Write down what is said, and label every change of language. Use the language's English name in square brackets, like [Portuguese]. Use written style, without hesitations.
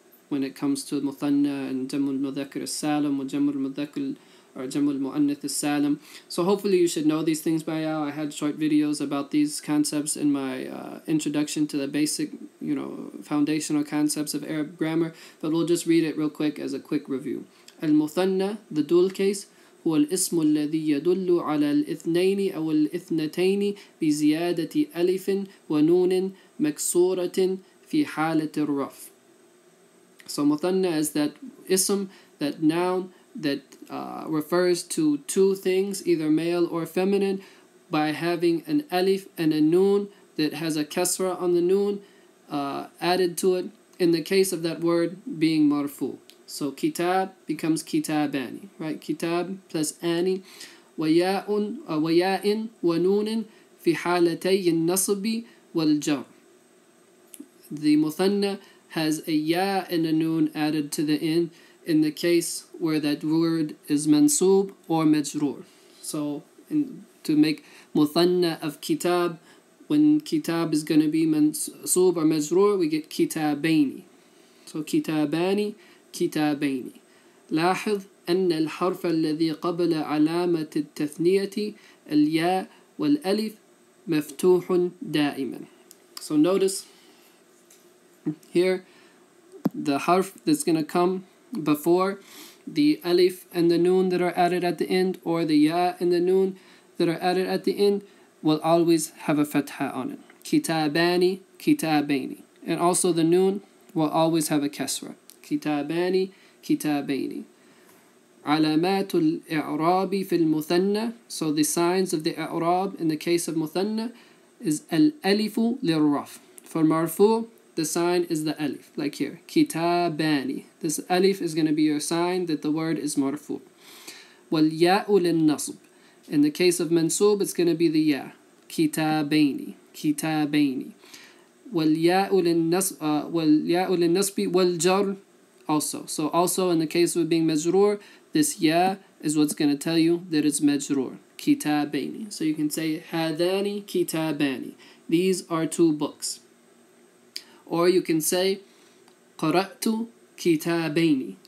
[English] When it comes to Muthanna and Jamu al-Mudhakir al-Salam or Jamu al-Mudhakir or Jamu al-Mu'annith al-Salam. So hopefully you should know these things by now. I had short videos about these concepts in my introduction to the basic, you know, foundational concepts of Arab grammar. But we'll just read it real quick as a quick review. [Arabic] Al-Muthanna, [English] the dual case, [Arabic] هو الاسم الذي يدل على الاثنين أو الاثنتين بزيادة ألف ونون مكسورة في حالة الرف. [English] So مثنى is that ism, that noun that refers to two things, either male or feminine, by having an alif and a noon that has a kasra on the noon added to it, in the case of that word being marfu. So kitab becomes kitabani, right? Kitab plus ani. [Arabic] وَيَاءٌ وَنُونٍ فِي حَالَتَيِّ النَّصْبِ وَالْجَرْ. [English] The muthanna has a ya and a noon added to the end in the case where that word is mansub or majrur. So in, to make muthanna of kitab, when kitab is going to be mansub or majrur, we get kitabaini. So kitabani, kitabaini. [Arabic] لاحظ أن الحرف الذي قبل علامة التثنية الياء والألف مفتوح دائما. [English] So notice here the harf that's going to come before the alif and the noon that are added at the end, or the ya and the noon that are added at the end, will always have a fatha on it. Kitabani, kitabaini. And also the noon will always have a kasra. Kitabani, kitabaini. [Arabic] علامات الإعراب في المثنى. [English] So the signs of the إعراب in the case of مثنى is الألف للرف. For مرفوع, the sign is the ألف, like here, كتاباني. This ألف is going to be your sign that the word is مرفوع. [Arabic] والياء للنصب. [English] In the case of منصوب, it's going to be the ياء. [Arabic] كتاباني, كتاباني. والياء للنصب والجر also. [English] So also in the case of being مجرور, this ya is what's going to tell you that it's majrur, kitabaini. So you can say, hadani kitabani. These are two books. Or you can say, qara'tu kitabaini.